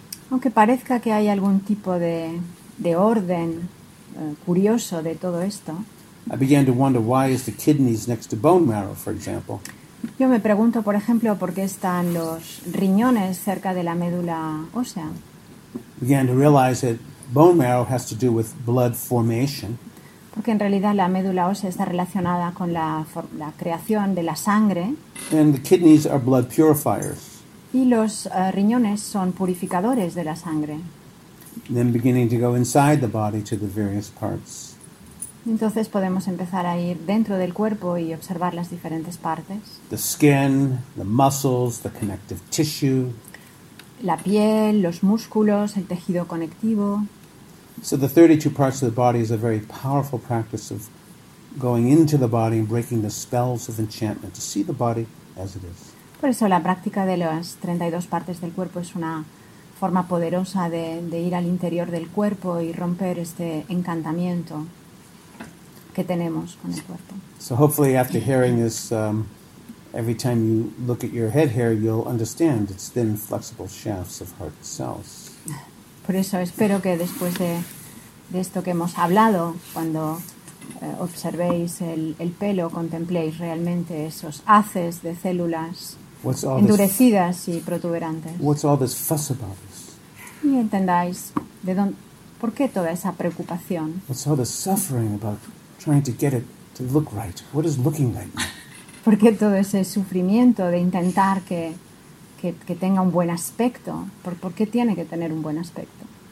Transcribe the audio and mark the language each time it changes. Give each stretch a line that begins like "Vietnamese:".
Spanish: Aunque parezca que hay algún tipo de orden curioso de todo esto.
English: I began to wonder why is the kidneys next to bone marrow, for example.
Spanish: Yo me pregunto, por ejemplo, por qué están los riñones cerca de la médula ósea.
English: Began to realize that bone marrow has to do with blood formation.
Spanish: Porque en realidad la médula ósea está relacionada con la creación de la sangre.
English: And the kidneys are blood purifiers.
Spanish: Y los riñones son purificadores de la sangre.
English: Then beginning to go inside the body to the various parts.
Spanish: Entonces podemos empezar a ir dentro del cuerpo y observar las diferentes partes.
English: The skin, the muscles, the connective tissue.
Spanish: La piel, los músculos, el tejido conectivo.
English: So the 32 parts of the body is a very powerful practice of going into the body and breaking the spells of enchantment to see the body as it is.
Spanish: Por eso la práctica de las 32 partes del cuerpo es una forma poderosa de ir al interior del cuerpo y romper este encantamiento que tenemos con el cuerpo.
English: So hopefully after hearing this, every time you look at your head hair, you'll understand it's thin, flexible shafts of heart cells.
Spanish: Por eso espero que después de esto que hemos hablado, cuando observéis el pelo, contempléis realmente esos haces de células endurecidas y protuberantes.
English: What's all this fuss about this?
Spanish: Y entendáis por qué toda esa preocupación.
English: What's all this suffering about trying to get it to look right? What is looking right now?
Spanish: ¿Por qué todo ese sufrimiento de intentar que tenga un buen aspecto? ¿Por qué tiene que tener un buen aspecto?